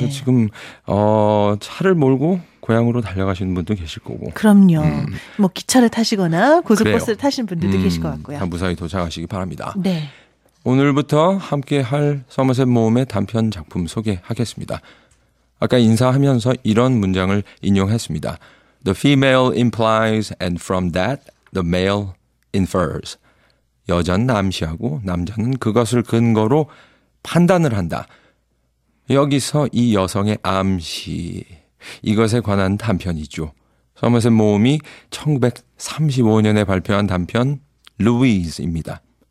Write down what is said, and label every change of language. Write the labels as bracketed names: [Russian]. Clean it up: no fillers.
[Korean] 그래서 지금 차를 몰고 고향으로 달려가시는 분도 계실 거고. 그럼요. 뭐 기차를 타시거나 고속버스를 그래요. 타신 분들도 계실 것 같고요. 다 무사히 도착하시기 바랍니다. 네. 오늘부터 함께할 서머셋 모음의 단편 작품 소개하겠습니다. 아까 인사하면서 이런 문장을 인용했습니다. [English] The female implies and from that the male infers. [Korean] 여자는 암시하고 남자는 그것을 근거로 판단을 한다. 여기서 이 여성의 암시, 이것에 관한 단편이죠. 서머셋 모음이 1935년에 발표한 단편 루이즈입니다.